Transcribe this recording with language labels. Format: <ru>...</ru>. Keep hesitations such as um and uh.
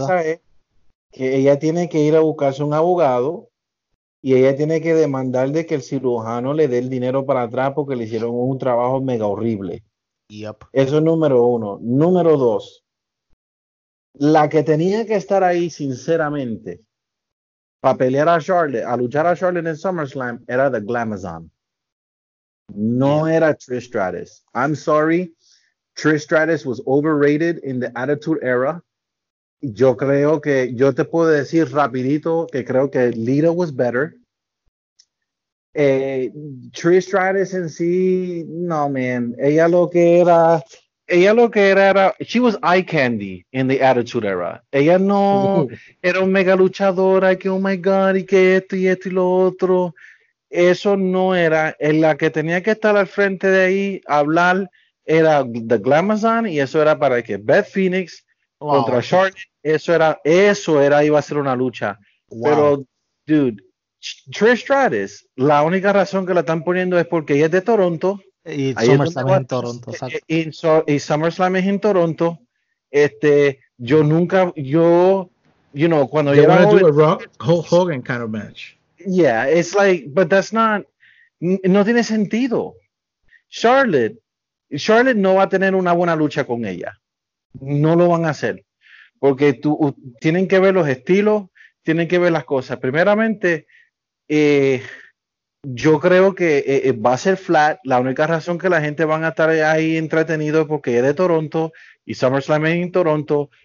<es>pasa es que ella tiene que ir a buscarse un abogado y ella tiene que demandar de que el cirujano le dé el dinero para atrás porque le hicieron un trabajo mega horrible.</es> <en>Yep.</en> <es>Eso es número uno. Número dos, la que tenía que estar ahí, sinceramente, para pelear a Charlotte, a luchar a Charlotte en SummerSlam, era The Glamazon. No era Trish Stratus.</es> <en>I'm sorry, Trish Stratus was overrated in the Attitude Era.</en> <es>Yo creo que, yo te puedo decir rapidito que creo que</es> <en>Lita was better.</en> <es>Eh, Trish Stratus en sí, no, man. Ella lo que era, ella lo que era era,</es> <en>she was eye candy in the Attitude Era.</en> <es>Ella no era un mega luchadora, que</es> <en>oh my god,</en> <es>y que esto y esto y lo otro. Eso no era. En la que tenía que estar al frente de ahí, hablar, era The Glamazon, y eso era para que Beth Phoenix</es> <en>Wow,</en> <es>contra Charlotte, eso era, eso era, iba a ser una lucha.</es> <en>wow.</en> <es>Pero, dude, Trish Stratus, la única razón que la están poniendo es porque ella es de Toronto. y ahí es SummerSlam donde es va- en Toronto, exacto. Y, so- y SummerSlam es en Toronto. Este, yo nunca, yo,</es> <en>you know,</en> <es>cuando</es> <en>They</en> <es>yo era</es> <en>wanna do</en> <es>joven-</es> <en>a Rock Hulk Hogan kind of match. Yeah, it's like, but that's not, n-</en> <es>no tiene sentido. Charlotte, Charlotte no va a tener una buena lucha con ella. No lo van a hacer. Porque tú, u- tienen que ver los estilos, tienen que ver las cosas. Primeramente, eh, yo creo que eh, eh, va a ser flat. La única razón que la gente van a estar ahí entretenido es porque es de Toronto y SummerSlam es en Toronto.</es>